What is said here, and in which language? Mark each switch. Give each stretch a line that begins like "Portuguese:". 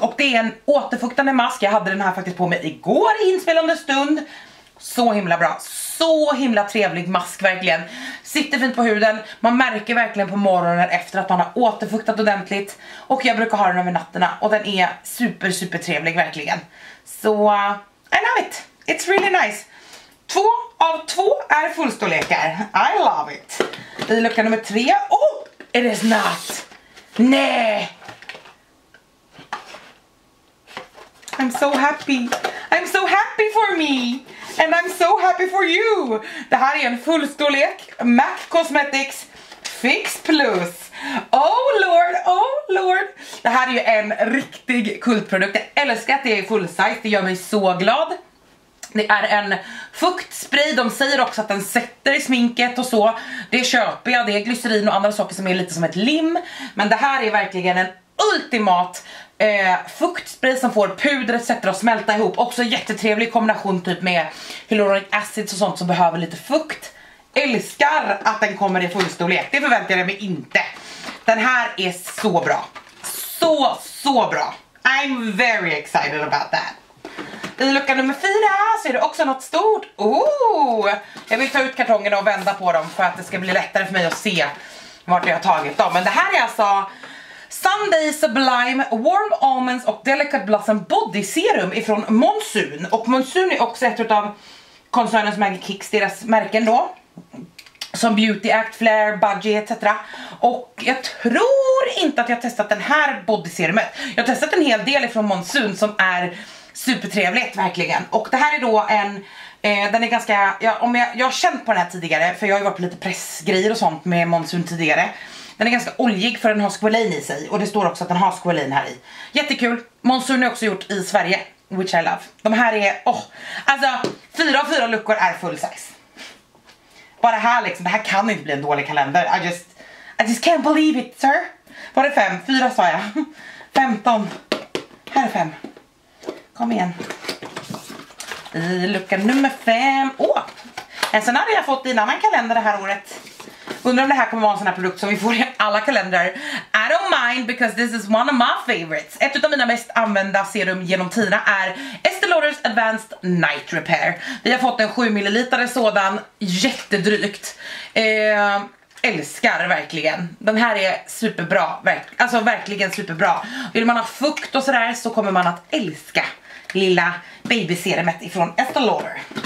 Swedish: Och det är en återfuktande mask. Jag hade den här faktiskt på mig igår i inspelande stund. Så himla bra, så himla trevlig mask verkligen. Sitter fint på huden, man märker verkligen på morgonen efter att man har återfuktat ordentligt. Och jag brukar ha den över natterna, och den är super super trevlig verkligen.
English: Så, I love it, it's really nice.
Swedish: Två av två är fullstorlekar,
English: I love it.
Swedish: I lucka nummer tre,
English: oh, it is not.
Swedish: Nej.
English: I'm so happy. I'm so happy for me, and I'm so happy for you.
Swedish: Det här är en fullstorlek MAC Cosmetics Fix Plus.
English: Oh lord, oh lord.
Swedish: Det här är ju en riktig kultprodukt. Jag älskar att det är full size, det gör mig så glad. Det är en fuktspray, de säger också att den sätter i sminket och så. Det köper jag, det är glycerin och andra saker som är lite som ett lim. Men det här är verkligen en ultimat fuktspray som får pudret sätter att smälta ihop. Också jättetrevlig kombination typ med hyaluronic acid och sånt som behöver lite fukt. Älskar att den kommer i fullstorlek, det förväntar jag mig inte. Den här är så bra. Så, så bra.
English: I'm very excited about that.
Swedish: I lucka nummer fyra så är det också något stort. Ooh, jag vill ta ut kartongerna och vända på dem för att det ska bli lättare för mig att se vart jag har tagit dem. Men det här är alltså Sunday Sublime Warm Almonds och Delicate Blossom Body Serum ifrån Monsoon. Och Monsoon är också ett av koncernen som äger Kix, deras märken då, som Beauty Act, Flair, Budgie etc. Och jag tror inte att jag har testat den här body serumet. Jag har testat en hel del ifrån Monsoon som är supertrevligt verkligen. Och det här är då en den är ganska, jag har känt på den här tidigare, för jag har ju varit på lite pressgrejer och sånt med Monsoon tidigare. Den är ganska oljig för den har squalane i sig, och det står också att den har squalane här i. Jättekul, Monsoon är också gjort i Sverige.
English: Which I love.
Swedish: De här är, oh, alltså 4 av 4 luckor är full size. Bara här liksom, det här kan inte bli en dålig kalender.
English: I just can't believe it, sir.
Swedish: Var det 5? 4 sa jag. 15. Här är 5. Kom igen. I lucka nummer 5. Åh! En sån hade jag fått i en annan kalender det här året. Undrar om det här kommer vara en sån här produkt som vi får i alla kalendrar.
English: I don't mind because this is one of my favorites.
Swedish: Ett av mina mest använda serum genom tiderna är Estee Lauder's Advanced Night Repair. Vi har fått en 7 ml sådan. Jättedrygt. Älskar verkligen. Den här är superbra. Alltså verkligen superbra. Vill man ha fukt och sådär så kommer man att älska lilla babyserumet ifrån Estee Lauder.